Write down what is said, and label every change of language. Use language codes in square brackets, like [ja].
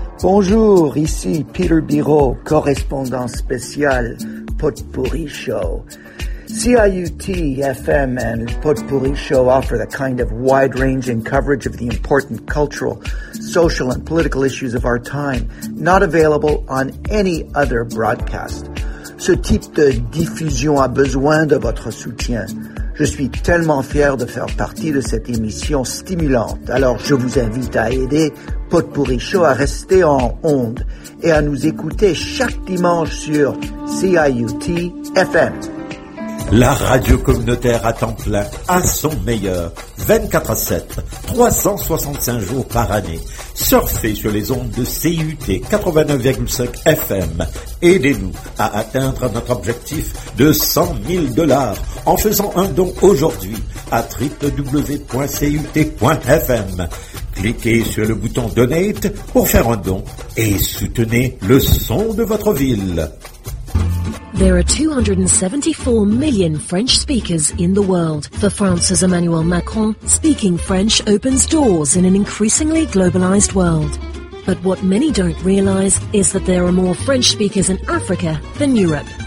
[fr] Bonjour, ici Peter Biro, correspondant spécial Potpourri Show. [en] CIUT FM and Potpourri Show offer the kind of wide-ranging coverage of the important cultural, social, and political issues of our time, not available on any other broadcast. [fr] Ce type de diffusion a besoin de votre soutien. Je suis tellement fier de faire partie de cette émission stimulante. Alors, je vous invite à aider Potpourri Show à rester en onde et à nous écouter chaque dimanche sur CIUT FM. La radio communautaire à temps plein, à son meilleur, 24 à 7, 365 jours par année. Surfez sur les ondes de CUT 89,5 FM. Aidez-nous à atteindre notre objectif de 100 000 $ en faisant un don aujourd'hui à www.cut.fm. Cliquez sur le bouton « Donate » pour faire un don et soutenez le son de votre ville. [en] There are 274 million French speakers in the world. For France's Emmanuel Macron, speaking French opens doors in an increasingly globalized world. But what many don't realize is that there are more French speakers in Africa than Europe.